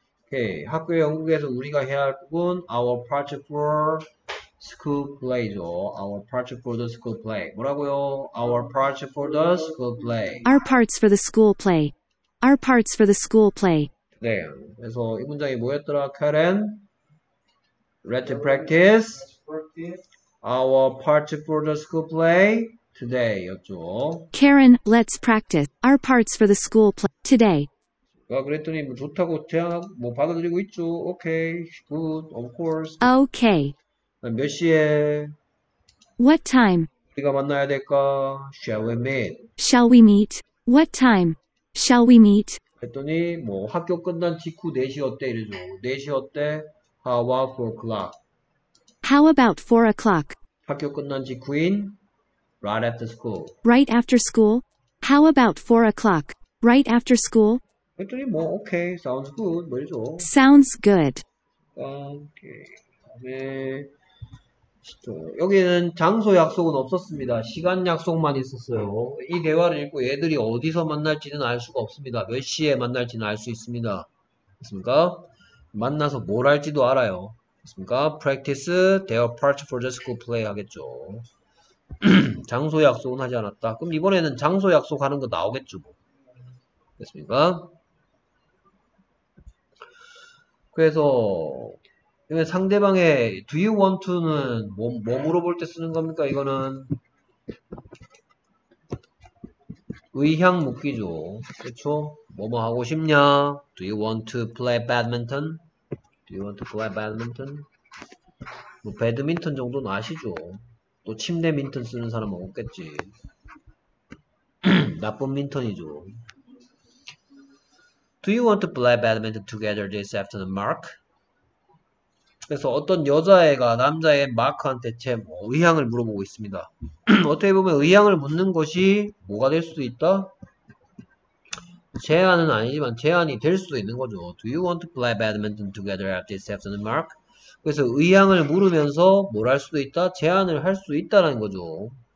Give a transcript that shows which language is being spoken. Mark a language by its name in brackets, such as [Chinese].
[Korean] Okay. 학교 연극에서 우리가 해야 할 부분, [English] our part for school play [Korean] 죠. [English] Our part for the school play. [Korean] 뭐라고요? [English] Our part for the school play. Our parts for the school play. Our parts for the school play. [Korean] 네. 그래서 이 문장이 뭐였더라? [English] Karen, let's practice our part for the school play today였죠. Karen, let's practice our parts for the school play today. [Korean] 아, 그랬더니 뭐 좋다고 제안하고 뭐 받아들이고 있죠. [English] 오케이, good, of course. Okay. [Korean] 몇 시에 [English] What time? [Korean] 우리가 만나야 될까? [English] Shall we meet? Shall we meet? What time? Shall we meet? [Korean] 그랬더니 뭐 학교 끝난 직후 4시 어때? 이러죠. 4시 어때? [English] How about 4 o'clock? How about 4 o'clock? [Korean] 학교 끝난 직후인 [English] right after school. Right after school? How about 4 o'clock? Right after school? [Korean] 그랬더니 뭐 오케이 사운드 굿 뭐 이러죠. [English] Sounds good. [Korean] 오케이. 다음에 여기는 장소 약속은 없었습니다. 시간 약속만 있었어요. 이 대화를 읽고 애들이 어디서 만날지는 알 수가 없습니다. 몇 시에 만날지는 알수 있습니다. 됐습니까? 만나서 뭘 할지도 알아요. 됐습니까? [English] Practice their part for the school play [Korean] 하겠죠. 장소 약속은 하지 않았다. 그럼 이번에는 장소 약속하는 거 나오겠죠 뭐. 됐습니까? 그래서 이게 상대방의 [English] Do you want to [Korean] 는 뭐 물어볼 때 쓰는 겁니까? 이거는 의향 묻기죠. 그쵸? 뭐뭐 하고 싶냐? [English] Do you want to play badminton? Do you want to play badminton? [Korean] 뭐, 배드민턴 정도는 아시죠? 또 침대 민턴 쓰는 사람은 없겠지. 나쁜 민턴이죠. [English] Do you want to play badminton together this afternoon, Mark? [Korean] 그래서 어떤 여자애가 남자애 마크한테 제 의향을 물어보고 있습니다. 어떻게 보면 의향을 묻는 것이 뭐가 될 수도 있다? 제안은 아니지만 제안이 될 수도 있는 거죠. [English] Do you want to play badminton together this afternoon, Mark? [Korean] 그래서 의향을 물으면서 뭘 할 수도 있다? 제안을 할 수 있다라는 거죠.